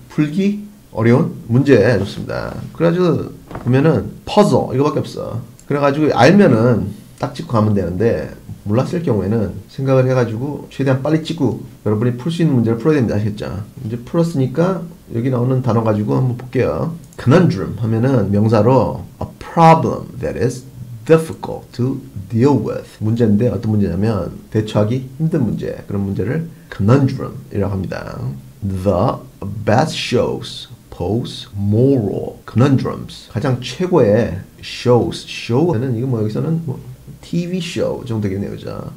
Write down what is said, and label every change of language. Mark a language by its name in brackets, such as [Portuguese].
[Korean] 풀기 어려운 문제 좋습니다. 그래가지고 보면은 퍼즐 이거밖에 없어. 그래가지고 알면은 딱 찍고 가면 되는데 몰랐을 경우에는 생각을 해가지고 최대한 빨리 찍고 여러분이 풀수 있는 문제를 풀어야 됩니다. 아시겠죠? 이제 풀었으니까 여기 나오는 단어 가지고 한번 볼게요. [English] Conundrum [Korean] 하면은 명사로 [English] a problem that is difficult to deal with. [Korean] 문제인데 어떤 문제냐면 대처하기 힘든 문제. 그런 문제를 conundrum이라고 합니다. [English] The best shows pose moral conundrums. [Korean] 가장 최고의 shows. show는 이거 뭐 여기서는 뭐 TV 쇼 정도 되겠네요, 그죠?